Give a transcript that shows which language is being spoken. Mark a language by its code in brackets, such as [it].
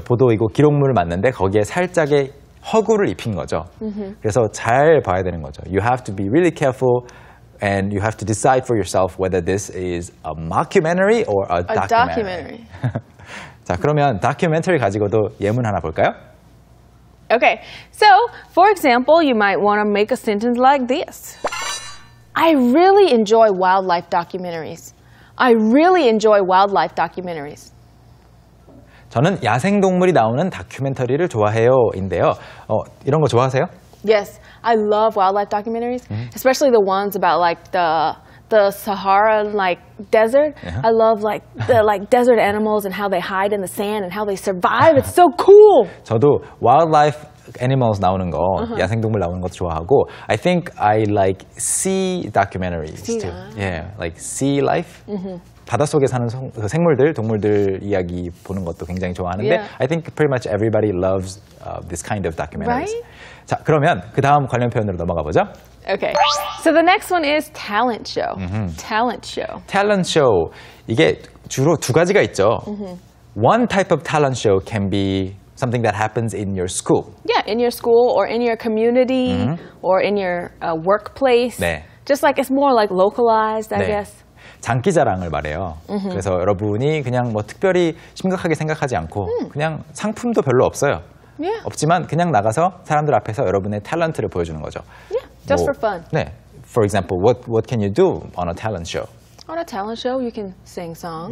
[ko] 보도이고 기록물을 맞는데 거기에 살짝의 허구를 입힌 거죠. 그래서 잘 봐야 되는 거죠. [en] You have to be really careful and you have to decide for yourself whether this is a mockumentary or a documentary. A documentary. [ko] 자, 그러면 documentary 가지고도 예문 하나 볼까요? [en] Okay, so, for example, you might want to make a sentence like this. I really enjoy wildlife documentaries. I really enjoy wildlife documentaries. [ko] 저는 야생동물이 나오는 다큐멘터리를 좋아해요, 인데요. 이런 거 좋아하세요? [en] Yes, I love wildlife documentaries, especially the ones about like the Sahara like desert. I love like the like desert animals and how they hide in the sand and how they survive. It's so cool. [ko] 저도 [en] wildlife animals [ko] 나오는 거, 야생동물 나오는 것도 좋아하고. [en] I think I like sea documentaries sea. too. Yeah, like sea life. [ko] 바닷속에 사는 생물들, 동물들 이야기 보는 것도 굉장히 좋아하는데 yeah. [en] I think pretty much everybody loves this kind of documentaries. Right? [ko] 자, 그러면 그 다음 관련 표현으로 넘어가 보죠. [en] Okay. So the next one is talent show. Talent show. Talent show. [ko] 이게 주로 두 가지가 있죠. [en] One type of talent show can be something that happens in your school. Yeah, in your school or in your community mm-hmm. or in your workplace. [ko] 네. [en] Just like it's more like localized, I 네. guess. [ko] 장기 자랑을 말해요. Mm-hmm. 그래서 여러분이 그냥 뭐 특별히 심각하게 생각하지 않고 mm. 그냥 상품도 별로 없어요. [en] Yeah. [ko] 없지만 그냥 나가서 사람들 앞에서 여러분의 탤런트를 보여주는 거죠. [en] Yeah, just 뭐, for fun. [ko] 네. [en] For example, what can you do on a talent show? On a talent show, you can sing songs.